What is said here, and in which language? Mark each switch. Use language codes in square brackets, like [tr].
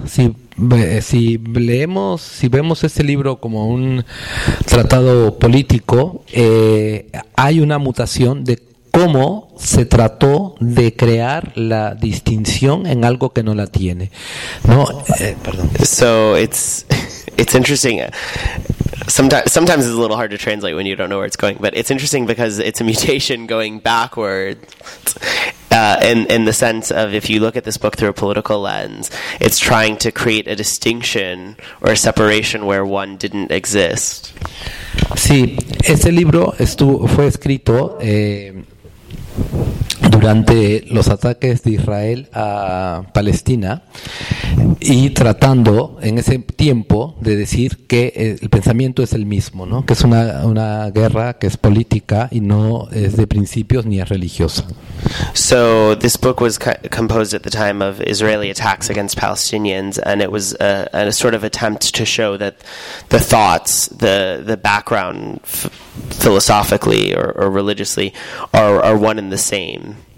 [es] Si vemos este libro como un tratado político, hay una mutación de cómo se trató de crear la distinción en algo que no la tiene. No, perdón. [en] So it's interesting. Sometimes it's a little hard to translate when you don't know where it's going, but it's interesting because it's a mutation going backwards. In the sense of, if you look at this book through a political lens, it's trying to create a distinction or a separation where one didn't exist. [es] Sí, este libro fue escrito durante los ataques de Israel a Palestina y tratando en ese tiempo de decir que el pensamiento es el mismo, ¿no? Que es una guerra que es política y no es de principios ni es religiosa. [en] So this book was composed at the time of Israeli attacks against Palestinians, and it was a sort of attempt to show that the thoughts, the background philosophically or religiously are one and the same.